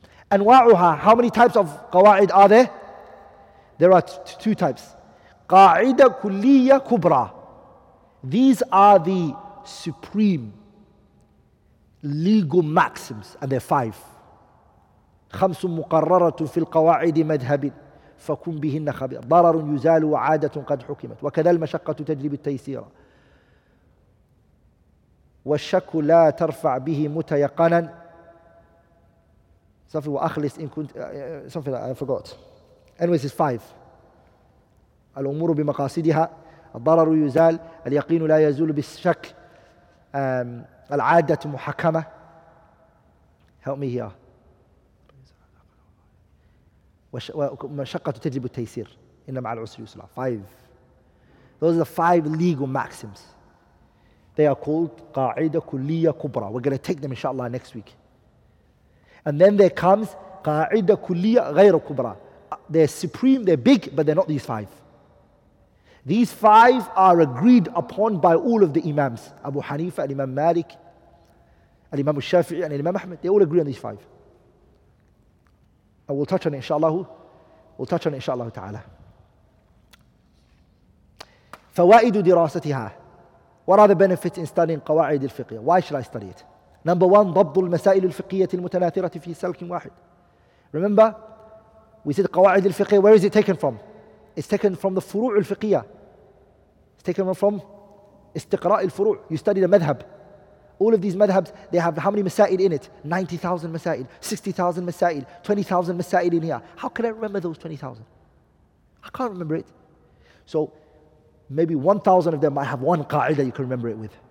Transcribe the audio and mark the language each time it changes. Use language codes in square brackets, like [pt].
[ar] أنواعها, [en] how many types of قواعد are there? There are two types. [ar] قاعدة كلية كبرى. [en] These are the supreme legal maxims, and there are five. [ar] خمس مقررة في القواعد مذهب فكن بهن خبير ضرر يزال وعادة قد حكمت وكذا المشقة تجري بالتيسير والشك لا ترفع به متيقنا [en] something [ar] وأخلص إن كنت [en] something I forgot. Anyways, it's five. [ar] الأمور بمقاصدها الضرر يزال اليقين لا يزول بالشك العادة محكمة. [en] Help me here. [ar] ومشقة تجلب التيسير إنما على العسر يسرا. [en] Five. Those are the five legal maxims. They are called [ar] قاعدة كلية كبرى. [en] We're going to take them inshallah next week. And then there comes [ar] قاعدة كلية غير كبرى. [en] They're supreme, they're big, but they're not these five. These five are agreed upon by all of the imams. Abu Hanifa, Imam Malik, Imam Shafi'i, and Imam Ahmed. They all agree on these five. And we'll touch on it inshallah. We'll touch on it inshallah ta'ala. [ar] فوائد دراستها. [en] What are the benefits in studying قواعد الفقه? Why should I study it? Number one, [ar] ضبط المسائل الفقهية المتناثرة في سلك واحد. [en] Remember, we said قواعد الفقه. Where is it taken from? It's taken from the فروع الفقهية. It's taken from [ar] استقراء الفروع. [en] You study the madhab. All of these madhabs, they have how many masail in it? 90,000 masail, 60,000 masail, 20,000 masail in here. How can I remember those 20,000? I can't remember it. So maybe 1,000 of them might have one qa'ida you can remember it with.